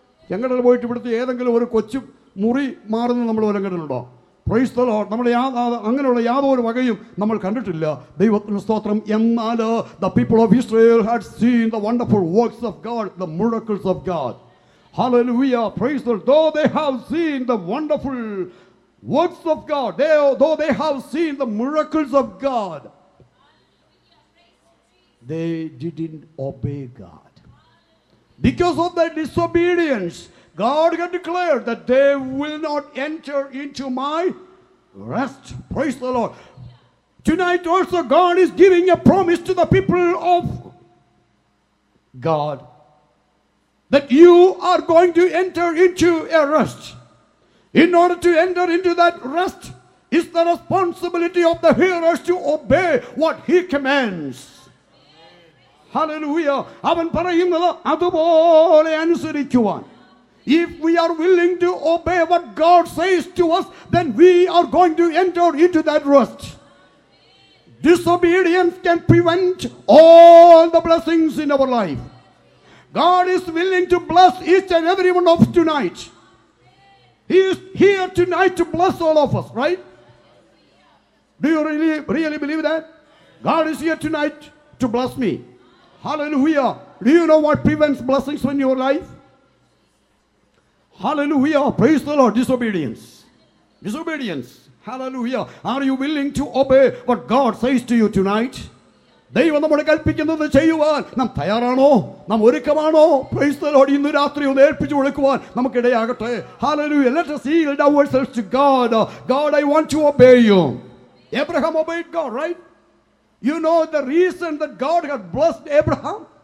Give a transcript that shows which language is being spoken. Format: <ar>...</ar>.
<ml>ചെങ്കടൽ പോയിട്ട് ഇവിടുത്തെ ഏതെങ്കിലും ഒരു കൊച്ചു മുറി മാറുന്ന നമ്മൾ വരം കണ്ടിട്ടുണ്ടോ?</ml> <en>Praise the Lord.</en> <ml>നമ്മൾ അങ്ങനെയുള്ള യാതൊരു വകയും നമ്മൾ കണ്ടിട്ടില്ല. ദൈവത്തിന് സ്തോത്രം.</ml> <en>എന്നാൽ the people of Israel had seen the wonderful works of God, the miracles of God. Hallelujah, praise the Lord. Though they have seen the wonderful works of God, though they have seen the miracles of God, they didn't obey God. Because of their disobedience, God had declared that they will not enter into my rest. Praise the Lord. Tonight also God is giving a promise to the people of God, that you are going to enter into a rest. In order to enter into that rest, is the responsibility of the hearers to obey what he commands. Hallelujah.</en> <ml>അവൻ പറയുന്നത് അതുപോലെ അനുസരിക്കുവാൻ.</ml> <en>If we are willing to obey what God says to us, then we are going to enter into that rest. Disobedience can prevent all the blessings in our life. God is willing to bless each and every one of us tonight. He is here tonight to bless all of us, right? Do you really believe that? God is here tonight to bless me. Hallelujah. Do you know what prevents blessings in your life? Hallelujah. Praise the Lord. Disobedience. Disobedience. Hallelujah. Are you willing to obey what God says to you tonight?</en> <ml>ദൈവം നമ്മളെ കൽപ്പിക്കുന്നത് ചെയ്യുവാൻ നാം തയ്യാറാണോ? നാം ഒരുക്കമാണോ?</ml> <en>Praise the Lord.</en> <ml>ഇന്ന് രാത്രി ഒന്ന് ഏൽപ്പിച്ചു കൊടുക്കുവാൻ നമുക്കിടയാകട്ടെ.</ml> <en>Hallelujah. Let us yield ourselves to God. God, I want to obey you. Abraham obeyed God, right? You know the reason that God had blessed Abraham.</en>